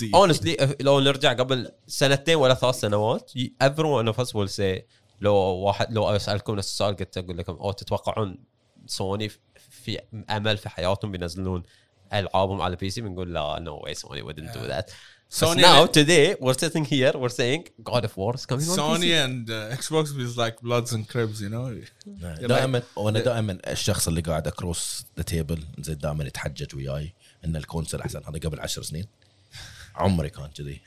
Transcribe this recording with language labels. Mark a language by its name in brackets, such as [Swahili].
[Arabic] honestly, لو نرجع قبل سنتين ولا 3 سنوات, [English] everyone of us will say, [Arabic] لو واحد لو أسألكم السؤال قلت أقول لكم أو تتوقعون سوني في أمل في حياتهم بينزلون ألعابهم على PC, بنقول لا, [English] no way, Sony wouldn't do that. Sony now today we're sitting here, we're saying God of War is coming Sony on PC. Sony and Xbox is like Bloods and Cribs, you know. [Arabic] دائما الشخص اللي قاعد [English] across the table [Arabic] زي دائما يتحجج وياي إن الكونسل أحسن, هذا قبل 10 سنين عمري كان كذي.